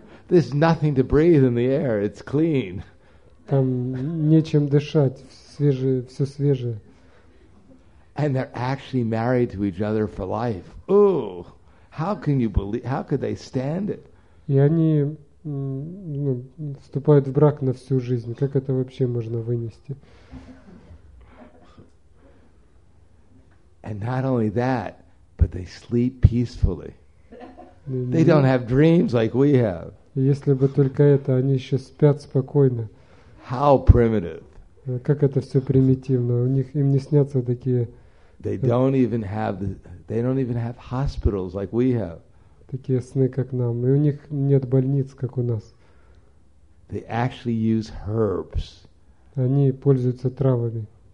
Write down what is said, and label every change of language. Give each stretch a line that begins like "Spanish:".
English: There's nothing to breathe in the air. It's clean.
Russian: Там нечем дышать. Свежее, все свежее.
English: And they're actually married to each other for life. Ooh, how can you believe? How could they stand it?
Russian: И они ну, вступают в брак на всю жизнь. Как это вообще можно вынести?
English: And not only that, but they sleep peacefully. They don't have dreams like we have.
Russian: Если бы только это, они еще спят спокойно.
English: How primitive.
Russian: Как это все примитивно. У них, им не снятся такие...
English: They don't even have they don't even have hospitals like we have.
Russian: Такие сны, как нам. И у них нет больниц, как у нас.
English: They actually use herbs.
Russian: Они пользуются травами.